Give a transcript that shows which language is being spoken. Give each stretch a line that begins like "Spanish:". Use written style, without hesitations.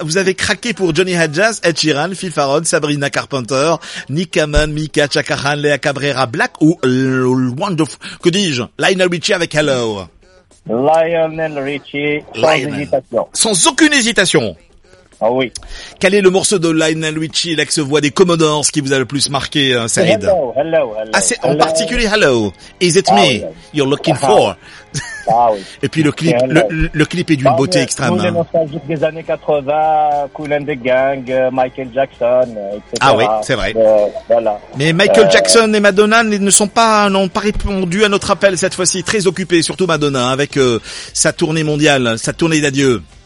French: Vous avez craqué pour Johnny Hadjazz, Ed Sheeran, Phil Farron, Sabrina Carpenter, Nick Cannon, Mika, Chaka Khan, Lea Cabrera, Black ou Wonderful, que dis-je, Lionel Richie avec Hello. Lionel Richie, sans aucune hésitation. Ah oui. Quel est le morceau de Lionel Richie, l'ex-voix des Commodores, qui vous a le plus marqué, Saïd? Hello. En particulier, Hello.
English: Is it me you're looking for?
French: Ah oui. Et puis le clip est d'une beauté extrême. Hein. Nostalgique des années 80, Cool and the Gang, Michael Jackson, etc. Ah oui, c'est vrai. Voilà. Mais Michael Jackson et Madonna n'ont pas répondu à notre appel cette fois-ci. Très occupés, surtout Madonna, avec sa tournée mondiale, sa tournée d'adieu.